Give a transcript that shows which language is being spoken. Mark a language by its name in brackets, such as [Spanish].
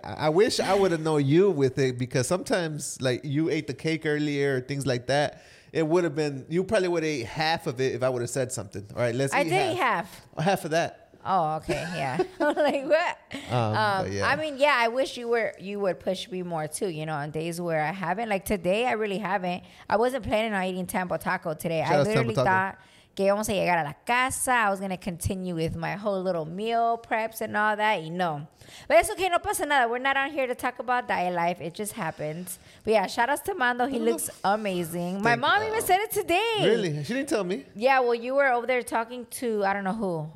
[English] I wish I would annoy you with it, because sometimes, like, you ate the cake earlier or things like that. It would have been, you probably would have ate half of it if I would have said something. All right, let's eat half. I did eat half. Half of that. Oh, okay. Yeah. Like, what? Yeah. I mean, yeah, I wish you would push me more too, you know, on days where I haven't. Like today, I really haven't. I wasn't planning on eating Tampa Taco today. Shout I literally Taco. Thought [Spanish] que vamos a llegar a la casa. [English] I was going to continue with my whole little meal preps and all that, you know. But it's okay. [Spanish] No pasa nada. [English] We're not on here to talk about diet life. It just happened. But yeah, shout out to Mando. He looks amazing. My mom even said it today. Really? She didn't tell me. Yeah, well, you were over there talking to, I don't know who.